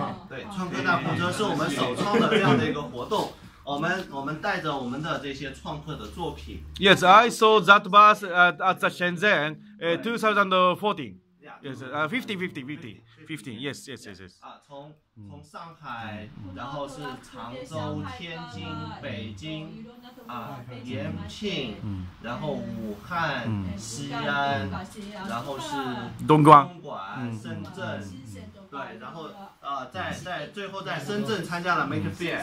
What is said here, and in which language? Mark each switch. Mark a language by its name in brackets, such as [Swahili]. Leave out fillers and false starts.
[Chinese] 对，创客大篷车是我们首创的这样的一个活动。我们带着我们的这些创客的作品。 [English] Yes, I saw that bus at the Shenzhen, 2014. Yes, 15. Yes, yes, yes, yes. [Chinese] 从上海，然后是常州、天津、北京、延庆，然后武汉、西安，然后是东莞、深圳。对，然后在最后在深圳参加了 Make Fair。